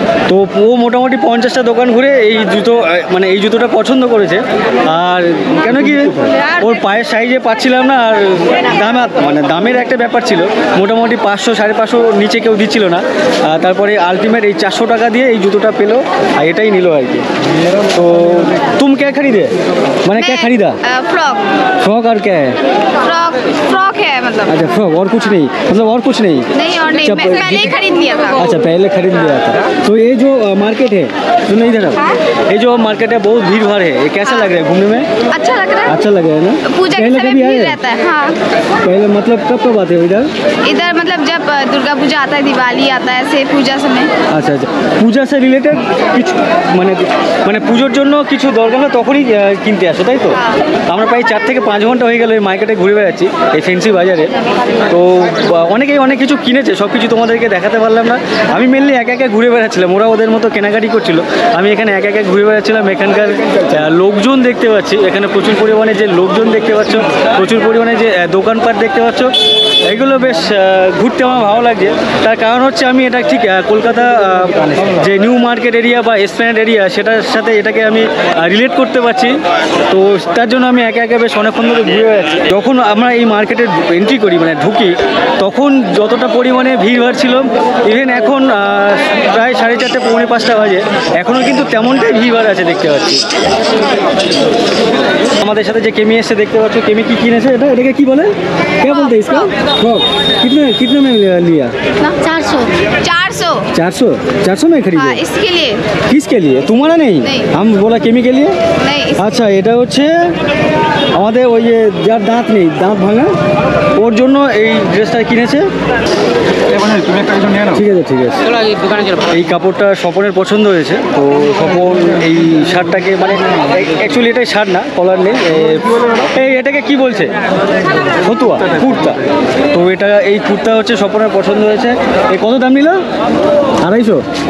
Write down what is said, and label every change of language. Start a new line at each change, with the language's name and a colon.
Bangla: তো ও মোটামুটি 50টা দোকান ঘুরে এই জুতো মানে এই জুতোটা পছন্দ করেছে আর কেন কি ওর পায়ের সাইজে পাচ্ছিলাম না আর দাম মানে দামের একটা ব্যাপার ছিল মোটামুটি 500 550 নিচে কেউ দিছিল না তারপরে আলটিমেট এই 400 টাকা দিয়ে এই জুতোটা পেল আর এটাই নিল আর কি তো তুমি কে খরিদে মানে কে খরিদা ফ্রক ফ্রক আর কে ফ্রক ফ্রক হে মানে আচ্ছা ফ্রক আর কিছু নেই মানে আর কিছু নেই নেই আর নেই
Hindi: পহলে খরিদ লিয়া था अच्छा पहले खरीद लिया था तो ये जो मार्केट है सुनो इधर आओ ये जो मार्केट है बहुत भीड़ भाड़ है ये कैसा लग रहा है घूमने में अच्छा लग रहा है अच्छा लग रहा है ना पूजा पहले कभी आया है हां पहले मतलब कब कब आते हो इधर इधर मतलब जब दुर्गा पूजा आता है दिवाली आता है ऐसे पूजा समय अच्छा अच्छा पूजा से रिलेटेड कुछ माने माने
Bangla: পূজোর জন্য কিছু দরকার না তখনই কিনতে আসো তাই তো আমরা প্রায় 4 থেকে 5 ঘন্টা হয়ে গেল এই মার্কেটে ঘুরে বেড়াচ্ছি এই ফেন্সি বাজারে তো অনেকেই অনেক কিছু কিনেছে সব কিছু তোমাদেরকে দেখাতে পারলাম না আমি মেইনলি একা একা ঘুরে বেড়াচ্ছিলাম ওরা ওদের মতো কেনাকাটি করছিল আমি এখানে একা একা ঘুরে বেড়াচ্ছিলাম এখানকার লোকজন দেখতে পাচ্ছি এখানে প্রচুর পরিমাণে যে লোকজন দেখতে পাচ্ছ প্রচুর পরিমাণে যে দোকানপাট দেখতে পাচ্ছ এগুলো বেশ ঘুরতে আমার ভালো লাগে তার কারণ হচ্ছে আমি এটা ঠিক কলকাতা যে নিউ মার্কেট এরিয়া বা এসপ্ল্যানেড এরিয়া সেটার সাথে এটাকে আমি রিলেট করতে পারছি তো তার জন্য আমি একা একা বেশ অনেকক্ষণ ধরে ঘুরে আছি যখন আমরা এই মার্কেটে এন্ট্রি করি মানে ঢুকি তখন যতটা পরিমাণে ভিড় ভাড় ছিল ইভেন এখন প্রায় 4:30 পৌনে 5টা বাজে এখনো কিন্তু তেমনটাই ভিড় ভাড় আছে দেখতে পাচ্ছি আমাদের সাথে যে কেমি এসে দেখতে পাচ্ছ কেমি কি কিনেছে এটা এটাকে কি বলে কে বলতে
Hindi: ইসকো कितने कितने में लिया
Bangla: 400
Hindi: में खरीदे हां इसके लिए किसके लिए तुम्हारा नहीं हम बोला केमी के लिए नहीं
Bangla: अच्छा এটা হচ্ছে আমাদের ওই যে যার দাঁত নেই দাঁত ভাঙা ওর জন্য এই ড্রেসটা কিনেছে এখানে তুমি একটা কিছু নিয়ে নাও ঠিক আছে চলো আগে দোকানে চলো এই কাপড়টা স্বপনের পছন্দ হয়েছে তো স্বপন এই শার্টটাকে মানে অ্যাকচুয়ালি এটা শার্ট না কলার নেই এই এটাকে কি বলছে ফতুয়া কুর্তা তো এটা এই কুর্তা হচ্ছে স্বপনের পছন্দ হয়েছে এই কত দাম নিল 250